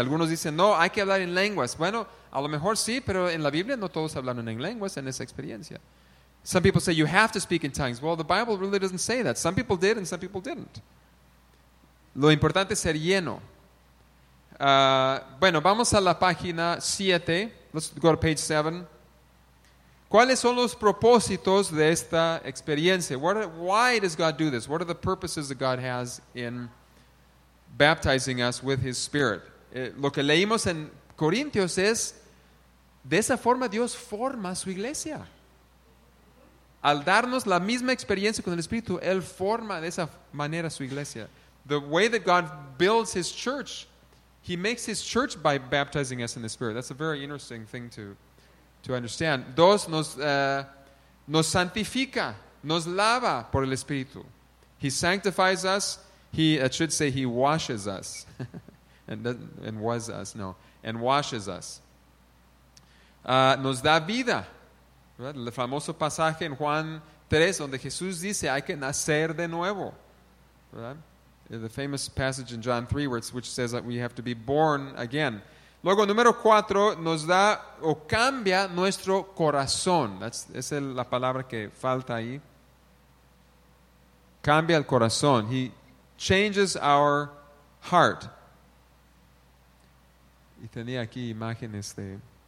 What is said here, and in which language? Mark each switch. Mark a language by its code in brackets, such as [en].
[es] Algunos dicen, no, hay que hablar en lenguas. Bueno, a lo mejor sí, pero en la Biblia no todos hablaron en lenguas en esa experiencia. [en] Some people say, you have to speak in tongues. Well, the Bible really doesn't say that. Some people did and some people didn't. [es] Lo importante es ser lleno. Bueno, vamos a la página 7. [en] Let's go to page 7. [es] ¿Cuáles son los propósitos de esta experiencia? [en] Why does God do this? What are the purposes that God has in baptizing us with his Spirit? [es] Lo que leímos en Corintios es, de esa forma Dios forma su iglesia. al darnos la misma experiencia con el Espíritu, Él forma de esa manera su iglesia. [en] The way that God builds His church, He makes His church by baptizing us in the Spirit. That's a very interesting thing to understand. [es] Dos, nos santifica, nos lava por el Espíritu. [en] He sanctifies us. He washes us. And washes us. [es] Nos da vida. ¿Verdad? El famoso pasaje en Juan 3, donde Jesús dice, hay que nacer de nuevo. ¿Verdad? [en] The famous passage in John 3, which says that we have to be born again. [es] Luego, número 4, nos da o cambia nuestro corazón. Esa es la palabra que falta ahí. Cambia el corazón. [en] He changes our heart. [es] Y tenía aquí imágenes de...